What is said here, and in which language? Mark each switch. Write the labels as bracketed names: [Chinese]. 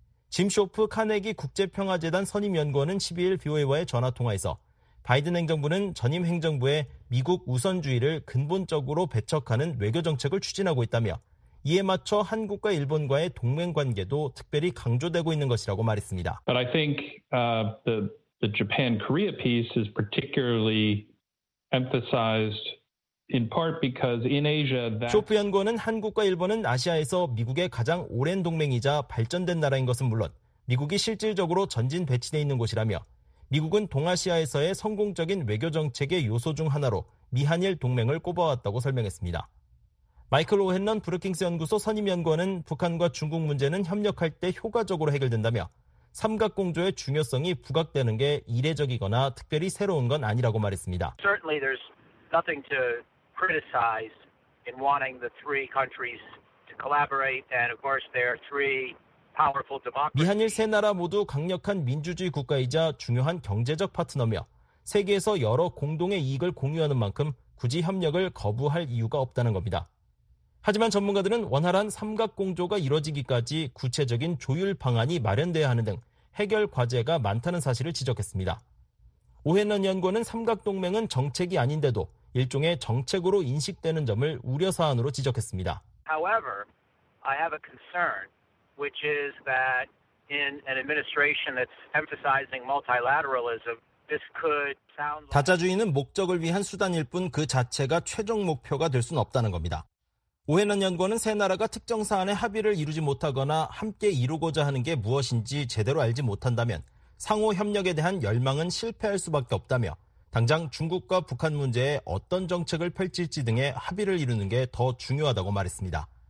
[Korean] 짐 쇼프 카네기 국제평화재단 선임연구원은 12일 BOA와의 전화통화에서 바이든 행정부는 전임 행정부의 미국 우선주의를 근본적으로 배척하는 외교정책을 추진하고 있다며 이에 맞춰 한국과 일본과의 동맹 관계도 특별히 강조되고 있는 것이라고 말했습니다. [English] But I think the Japan Korea piece is particularly emphasized in part because in Asia that [Korean] 쇼프 연구원은 한국과 일본은 아시아에서 미국의 가장 오랜 동맹이자 발전된 나라인 것은 물론 미국이 실질적으로 전진 배치돼 있는 곳이라며 미국은 동아시아에서의 성공적인 외교 정책의 요소 중 하나로 미한일 동맹을 꼽아왔다고 설명했습니다. 마이클 오헨런 브루킹스 연구소 선임 연구원은 북한과 중국 문제는 협력할 때 효과적으로 해결된다며 삼각공조의 중요성이 부각되는 게 이례적이거나 특별히 새로운 건 아니라고 말했습니다. [English] Certainly there's nothing to criticize in wanting the three countries to collaborate and of course there are three powerful democracies. [Korean] 미한일 세 나라 모두 강력한 민주주의 국가이자 중요한 경제적 파트너며 세계에서 여러 공동의 이익을 공유하는 만큼 굳이 협력을 거부할 이유가 없다는 겁니다. 하지만 전문가들은 원활한 삼각공조가 이뤄지기까지 구체적인 조율 방안이 마련돼야 하는 등 해결 과제가 많다는 사실을 지적했습니다. 오헨런 연구원은 삼각동맹은 정책이 아닌데도 일종의 정책으로 인식되는 점을 우려 사안으로 지적했습니다. [English] However, I have a concern, which is that in an administration that's emphasizing multilateralism, this could sound like [Korean] 다자주의는 목적을 위한 수단일 뿐 그 자체가 최종 목표가 될 수는 없다는 겁니다. 오헨런 연구원은 세 나라가 특정 사안에 합의를 이루지 못하거나 함께 이루고자 하는 게 무엇인지 제대로 알지 못한다면 상호 협력에 대한 열망은 실패할 수밖에 없다며 당장 중국과 북한 문제에 어떤 정책을 펼칠지 등의 합의를 이루는 게 더 중요하다고 말했습니다.